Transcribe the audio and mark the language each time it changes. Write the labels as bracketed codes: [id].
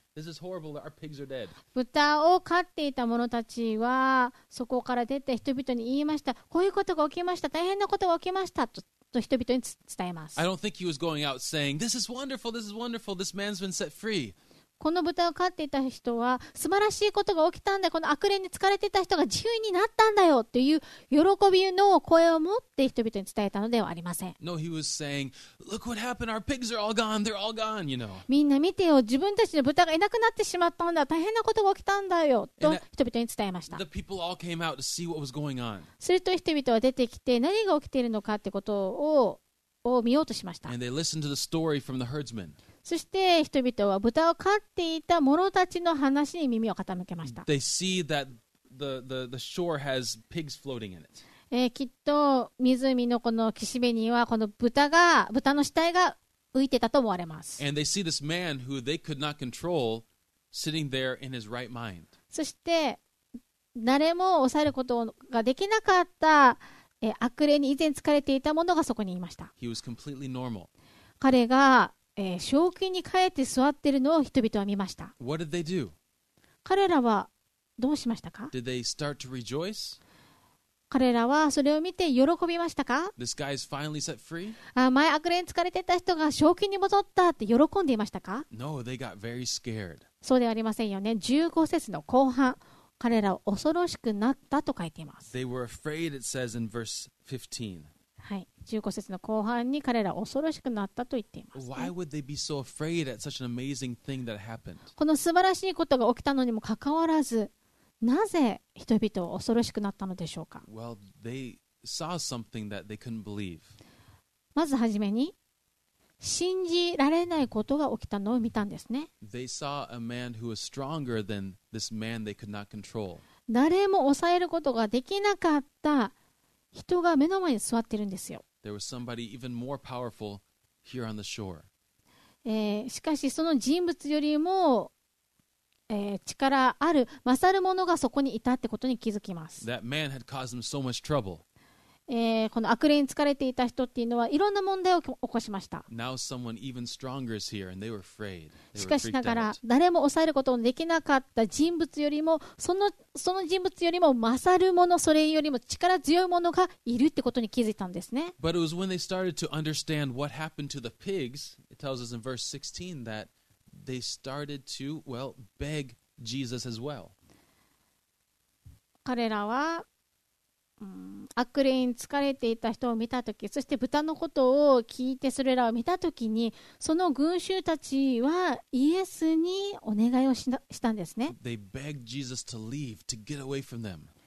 [en] This is horrible. Our pigs are dead. [ja] 豚を飼っていた者たちはそこから出て人々に言いました。こういうことが起きました。大変なことが起きました。と人々に伝えます。 [en] I don't think he was going out saying, this is wonderful, this is wonderful, this man's been set free. [ja] この豚を飼っていた人は素晴らしいことが起きたんだ。この悪霊に疲れていた人が自由になったんだよという喜びの声を持って人々に伝えたのではありません。 [en] No, he was saying, look what happened. Our pigs are all gone. They're all gone, you know. [ja] みんな見てよ。自分たちの豚がいなくなってしまったんだ。大変なことが起きたんだよと人々に伝えました。 [en] The people all came out to see what was going on. [ja] すると人々は出てきて何が起きているのかってことを見ようとしました。 [en] And they listened to the story from the herdsmen. [ja] そして人々は豚を飼っていた者たちの話に耳を傾けました。 [en] They see that the shore has pigs floating in it. [ja] きっと湖のこの岸辺にはこの豚の死体が浮いてたと思われます。 [en] And they see this man who they could not control sitting there in his right mind. [ja] そして誰も抑えることができなかった、悪霊に以前疲れていた者がそこにいました。 [en] He was completely normal. [ja] 彼が正気に帰って座っているのを人々は見ました。 [en] What did they do? [ja] 彼らはどうしましたか? [en] Did they start to rejoice? [ja] 彼らはそれを見て喜びましたか? [en] This guy is finally set free? [ja] 前悪霊に疲れてた人が正気に戻ったって喜んでいましたか? [en] No, they got very scared. [ja] そうではありませんよね。15節の後半、彼らは恐ろしくなったと書いています。 [en] They were afraid, it says in verse 15. [ja] はい、15節の後半に彼ら恐ろしくなったと言っています、ね、 [en] Why would they be so afraid at such an amazing thing that happened? [ja] この素晴らしいことが起きたのにもかかわらずなぜ人々は恐ろしくなったのでしょうか? [en] Well, they saw something that they couldn't believe. [ja] まずはじめに信じられないことが起きたのを見たんですね。 [en] They saw a man who was stronger than this man they could not control. [ja] 誰も抑えることができなかった人が目の前に座ってるんですよ。 [en] There was somebody even more powerful here on the shore. [ja] しかしその人物よりも、力ある勝る者がそこにいたってことに気づきます。 [en] That man had caused them so much trouble. [ja] この悪霊に疲れていた人っていうのはいろんな問題を起こしました。 [en] Now someone even stronger is here and they were afraid. [ja] しかしながら誰も抑えることのできなかった人物よりもその人物よりも勝るもの、それよりも力強いものがいるってことに気づいたんですね。 [en] But it was when they started to understand what happened to the pigs, it tells us in verse 16 that they started to, well, beg Jesus as well. [ja] 彼らは悪霊に疲れていた人を見たとき、そして豚のことを聞いてそれらを見たときに、その群衆たちはイエスにお願いをしたんですね。 [en] They begged Jesus to leave, to get away from them.